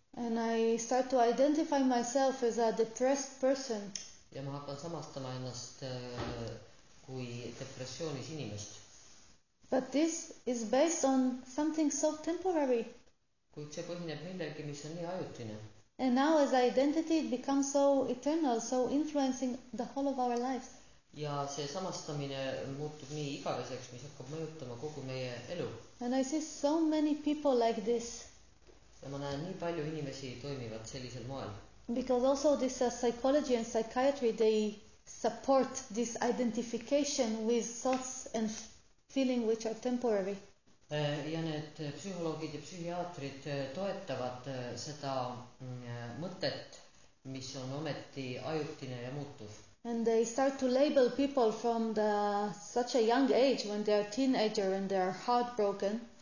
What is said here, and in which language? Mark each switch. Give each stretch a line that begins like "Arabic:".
English: And I start to identify myself as a depressed person.
Estonian: Ja ma hakkan samastama ennast kui depressioonis inimest.
English: But this is based on something so temporary.
Estonian: Kuid see põhineb millegi, mis on nii ajutine.
English: And now as identity it becomes so eternal, so influencing the whole of our lives.
Estonian: Ja see samastamine muutub nii igaveseks, mis hakkab mõjutama kogu meie elu.
English: And I see so many people like this.
Estonian: Ja ma näen nii palju inimesi toimivad sellisel moel.
English: Because also this psychology and psychiatry, they support this identification with thoughts and feeling which are temporary.
Estonian: Ja need psühholoogid ja psühhiaatrid toetavad seda mõtet, mis on ometi ajutine ja muutuv.
English: And they start to label people from the such a young age when they are teenager and they are heartbroken.